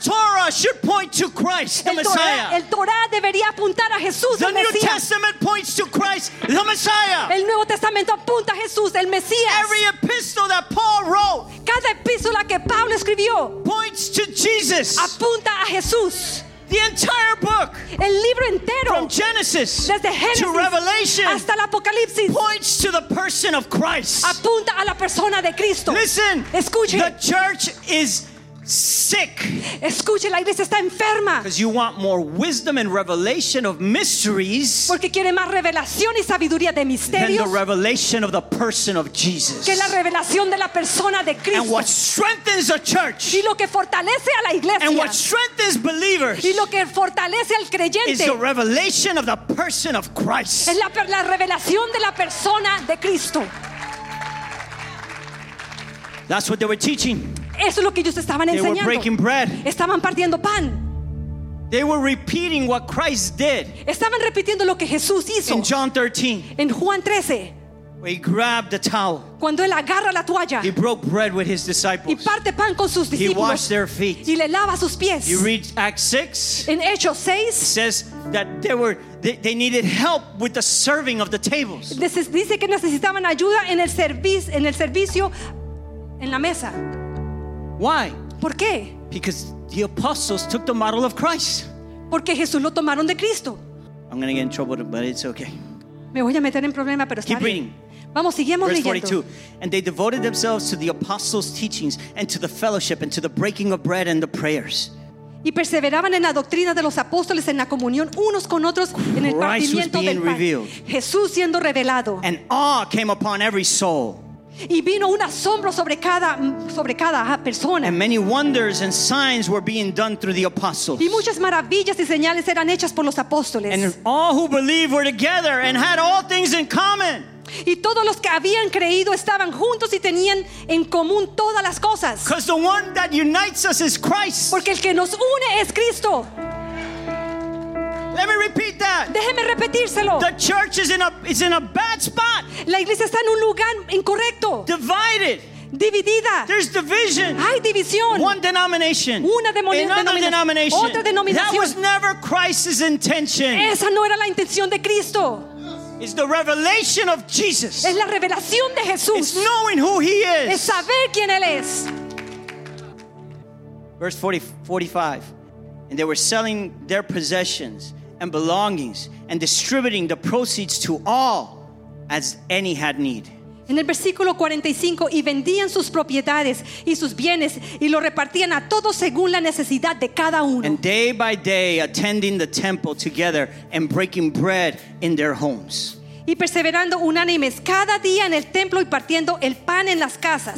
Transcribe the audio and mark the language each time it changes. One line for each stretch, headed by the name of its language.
English: The Torah should point to Christ, the Messiah.
Spanish: El Torah debería apuntar a Jesús,
English: the
Spanish: el Mesías.
English: The New Testament points to Christ, the Messiah.
Spanish: El Nuevo Testamento apunta a Jesús, el Mesías.
English: Every epistle that Paul wrote.
Spanish: Cada epístola que Pablo escribió.
English: Points to Jesus.
Spanish: Apunta a Jesús.
English: The entire book,
Spanish: el libro entero,
English: from Genesis,
Spanish: desde Génesis,
English: to Revelation,
Spanish: hasta el Apocalipsis,
English: points to the person of Christ.
Spanish: Apunta a la persona de Cristo.
English: Listen,
Spanish: escuche,
English: the church is sick.
Spanish: Escuche, la iglesia está enferma.
English: Because you want more wisdom and revelation of mysteries.
Spanish: Porque quiere más revelación y sabiduría de misterios.
English: Than the revelation of the person of Jesus.
Spanish: Que la revelación de la persona de Cristo.
English: And what strengthens the church.
Spanish: Y lo que fortalece a la iglesia.
English: And what strengthens believers.
Spanish: Y lo que fortalece al creyente.
English: Is the revelation of the person of Christ.
Spanish: Es la revelación de la persona de Cristo.
English: That's what they were teaching.
Spanish: Eso es lo que ellos estaban enseñando.
English: They were breaking bread.
Spanish: Estaban partiendo pan.
English: They were repeating what Christ did.
Spanish: Estaban repitiendo lo que Jesús hizo.
English: In John 13.
Spanish: En Juan 13.
English: Where he grabbed the towel.
Spanish: Cuando él agarra la toalla.
English: He broke bread with his disciples.
Spanish: Y parte pan con sus discípulos.
English: He washed their feet.
Spanish: Y le lava sus pies.
English: You read Acts 6.
Spanish: En Hechos 6.
English: Says that they needed help with the serving of the tables.
Spanish: Dice que necesitaban ayuda en el servicio, en la mesa.
English: Why?
Spanish: ¿Por qué?
English: Because the apostles took the model of Christ.
Spanish: Porque Jesús lo tomaron de Cristo.
English: I'm going to get in trouble, but it's okay.
Spanish: Me voy a meter en problema, pero está bien.
English: Keep reading.
Spanish: Vamos, sigamos leyendo.
English: Verse 42. And they devoted themselves to the apostles' teachings and to the fellowship and to the breaking of bread and the prayers.
Spanish: Y perseveraban en la doctrina de los apóstoles, en la comunión unos con otros, en el partimiento del pan. Jesús siendo revelado.
English: And awe came upon every soul.
Spanish: Y vino un asombro sobre cada persona.
English: And many wonders and signs were being done through the apostles.
Spanish: Y muchas maravillas y señales eran hechas por los apóstoles.
English: And all who believed were together and had all things in common.
Spanish: Y todos los que habían creído estaban juntos y tenían en común todas las cosas.
English: Because the one that unites us is Christ.
Spanish: Porque el que nos une es Cristo.
English: Let Let me repeat that.
Spanish: Déjeme repetírselo.
English: The church is in a bad spot.
Spanish: La iglesia está en un lugar incorrecto.
English: Divided.
Spanish: Dividida.
English: There's division.
Spanish: Hay división.
English: One denomination.
Spanish: Una denominación. Otra denominación.
English: That was never Christ's intention.
Spanish: Esa no era la intención de Cristo.
English: It's the revelation of Jesus.
Spanish: Es la revelación de Jesús.
English: It's knowing who He is.
Spanish: Es saber quién Él es.
English: Verse 45. And they were selling their possessions and belongings and distributing the proceeds to all as any had need.
Spanish: En el versículo 45, y vendían sus propiedades y sus bienes y lo repartían a todos según la necesidad de cada uno.
English: And day by day attending the temple together and breaking bread in their homes.
Spanish: Y perseverando unánimes cada día en el templo y partiendo el pan en las casas.